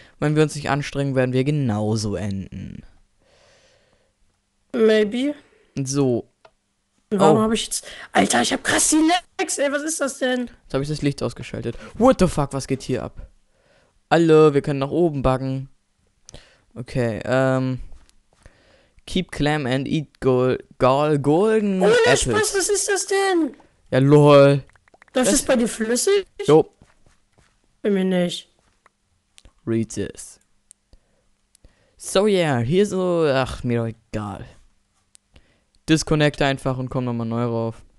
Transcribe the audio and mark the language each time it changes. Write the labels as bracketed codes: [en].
[de] Wenn wir uns nicht anstrengen, werden wir genauso enden. [en] Maybe. [de] So. Warum habe ich jetzt... Alter, ich habe krass die Lags, ey, was ist das denn? Jetzt habe ich das Licht ausgeschaltet. [en] What the fuck, [de] was geht hier ab? Alle, wir können nach oben backen. [en] Okay, keep clam and eat golden [de] ohne [en] apples. [de] Ohne Spaß, was ist das denn? Ja, lol. Das ist bei dir flüssig? Jo. Bei mir nicht. [en] Read this. So yeah, [de] hier so, ach, mir doch egal. disconnecte einfach und komm nochmal neu rauf.